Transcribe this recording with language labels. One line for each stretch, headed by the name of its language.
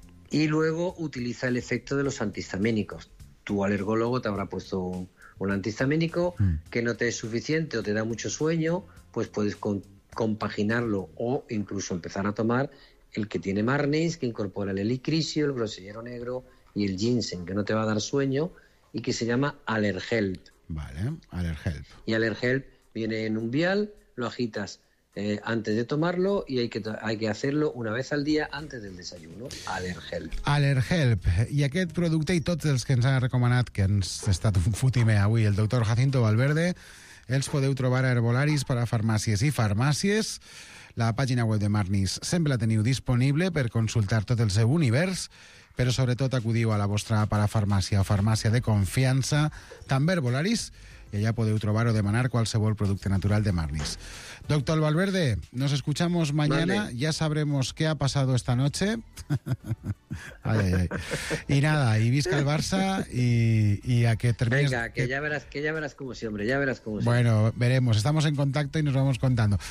Spanish: Y luego utiliza el efecto de los antihistamínicos. Tu alergólogo te habrá puesto un antihistamínico que no te es suficiente o te da mucho sueño, pues puedes compaginarlo o incluso empezar a tomar el que tiene Marnis, que incorpora el helicrisio, el grosellero negro y el ginseng, que no te va a dar sueño y que se llama Allerhelp. Vale, Allerhelp. Y Allerhelp viene en un vial, lo agitas antes de tomarlo y hay que hacerlo una vez al día antes del desayuno. Allerhelp. Allerhelp.
Catalan: I aquest producte i tots els que ens ha recomanat, que ens ha estat un fotimer avui, el doctor Jacinto Valverde, els podeu trobar a Herbolaris per a farmàcies i farmàcies. La pàgina web de Marnis sempre la teniu disponible per consultar tot el seu univers, però sobretot acudiu a la vostra parafarmàcia o farmàcia de confiança, també Herbolaris, i allà podeu trobar o demanar qualsevol producte natural de Marnis.
Spanish: Doctor Valverde, nos escuchamos mañana, ya sabremos qué ha pasado esta noche. Ay, ay, ay. Y nada, y
Catalan: visca el Barça
Spanish: y a que termine. Venga, que ya verás cómo sí, hombre, ya verás cómo sí. Bueno, veremos, estamos en contacto y nos vamos contando.